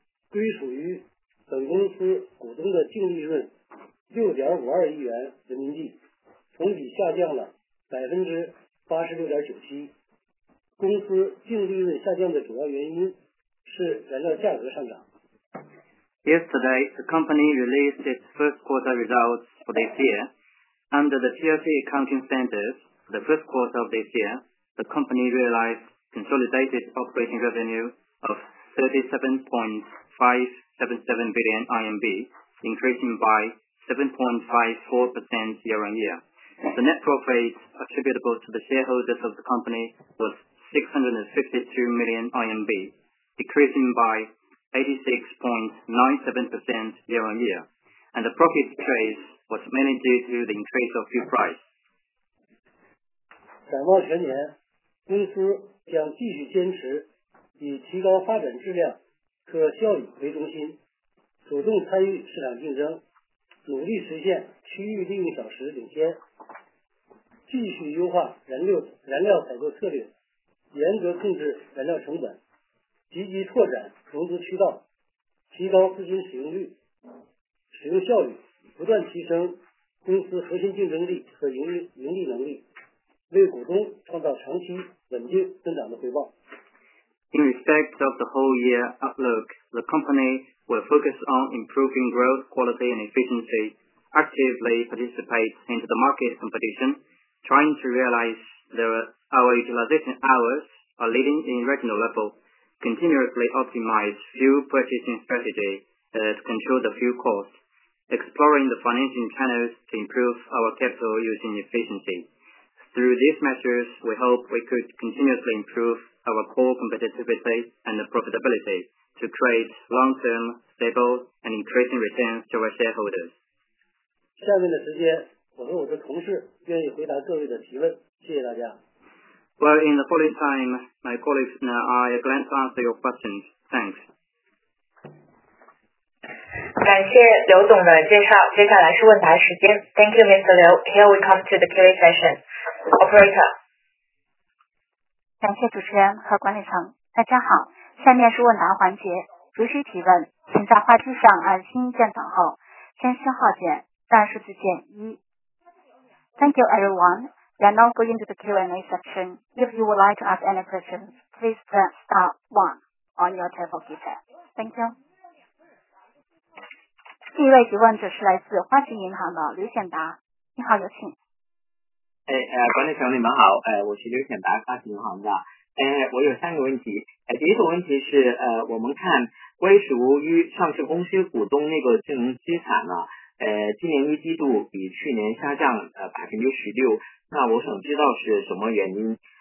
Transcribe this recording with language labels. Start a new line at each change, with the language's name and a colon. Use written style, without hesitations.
Chinese: 归属于本公司股东的净利润6.52亿元人民币，同比下降了86.97%。公司净利润下降的主要原因是燃料价格上涨。
English: Yesterday, the company released its first quarter results for this year. Under the TLC accounting standards, for the first quarter of this year, the company realized consolidated operating revenue of 37.577 billion RMB, increasing by 7.54% year on year. The net profit attributable to the shareholders of the company was 652 million RMB, decreasing by 86.97% year on year. And the profit decrease was mainly due to the increase of fuel price.
Chinese: 展望全年，公司将继续坚持以提高发展质量可效益为中心，主动参与市场竞争，努力实现区域利用小时领先，继续优化燃料采购策略，严格控制燃料成本，积极拓展融资渠道，提高资金使用率、使用效率，不断提升公司核心竞争力和盈利能力，为股东创造长期稳定增长的回报。
English: In respect of the whole year outlook, the company will focus on improving growth, quality, and efficiency, actively participate into the market competition, trying to realize that our utilization hours are leading in regional level, continuously optimize fuel purchasing strategy to control the fuel cost, exploring the financing channels to improve our capital using efficiency. Through these measures, we hope we could continuously improveour core competitivity and profitability to create long-term, stable, and increasing returns to our shareholders.
Chinese: 下面的时间，我和我的同事愿意回答各位的提问，谢谢大家。
English: Well, in the following time, my colleagues and I are glad to answer your questions. Thanks.
Chinese: 感谢刘总的介绍，接下来是问答时间。
English: Thank you, Mr. Liu. Here we come to the Q&A session. Operator.
Chinese: 感谢主持人和管理层，大家好，下面是问答环节，如需提问，请在话机上按星一键等候，先号键，但数字减一。
English: Thank you, everyone. We are now going to the Q&A section. If you would like to ask any questions, please press star 1 on your telephone keypad. Thank you.
Chinese: 第一位提问者是来自花旗银行的刘显达，你好，有请。管理层你们好，我是刘显达，花旗银行的。我有三个问题。第一个问题是，我们看归属于上市公司股东那个金融资产呢、啊，今年一季度比去年下降16%，那我想知道是什么原因。